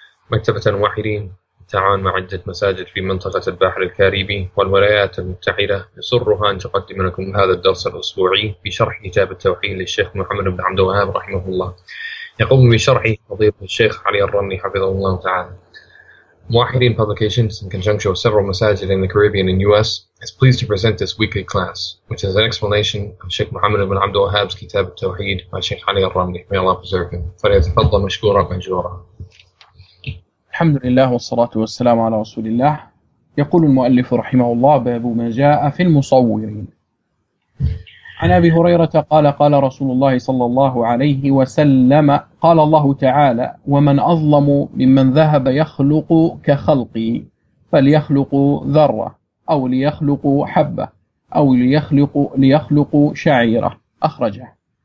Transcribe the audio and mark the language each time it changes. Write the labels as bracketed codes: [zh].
[ar] مكتبة الموحدين تعاون مع عدة مساجد في منطقة البحر الكاريبي والولايات المتحدة يسرها أن تقدم لكم هذا الدرس الأسبوعي بشرح كتاب التوحيد للشيخ محمد بن عبد الوهاب رحمه الله. يقوم بشرحه فضيلة الشيخ علي الرمي حفظه الله تعالى. [en] Muwahideen Publications, in conjunction with several masajid in the Caribbean and U.S., is pleased to present this weekly class, which is an explanation of Sheikh Muhammad ibn Abdul Wahhab's Kitab al-Tawheed by Sheikh Ali al-Ramli. May Allah preserve him. فَلِيَتَفَضَّ مَشْكُورًا مَجْرُورًا [ar] الحمد لله والصلاة والسلام على رسول الله. يقول المؤلف رحمه الله باب ما جاء في المصورين. عن أبي هريرة قال قال رسول الله صلى الله عليه وسلم قال الله تعالى ومن أظلم ممن ذهب يخلق كخلقي فليخلق ذرة أو ليخلق حبة أو ليخلق شعيرة. أخرجه.